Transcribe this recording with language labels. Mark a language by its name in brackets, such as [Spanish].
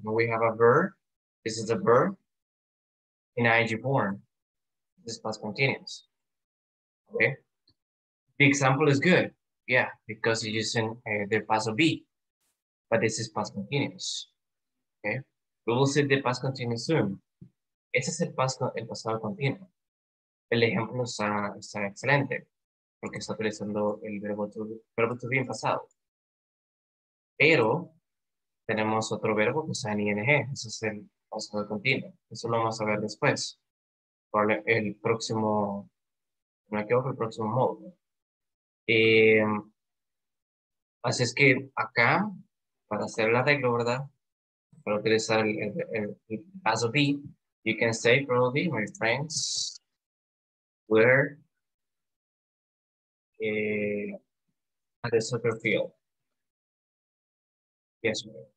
[English] When we have a verb, this is a verb in ing form. This is past continuous. Okay, the example is good. Yeah, because you're using the past of be, but this is past continuous. Okay, we will see the past continuous soon. [Spanish] Ese es el pasado continuo. El ejemplo está excelente porque está utilizando el verbo to be en pasado. Pero tenemos otro verbo que está en ing. Ese es el pasado continuo. Eso lo vamos a ver después. Por el próximo, no me equivoco, el próximo módulo. Así es que acá, para hacer la regla, ¿verdad? Para utilizar el pasado be, [English] you can say probably my friends were at the soccer field. Yes, ma'am.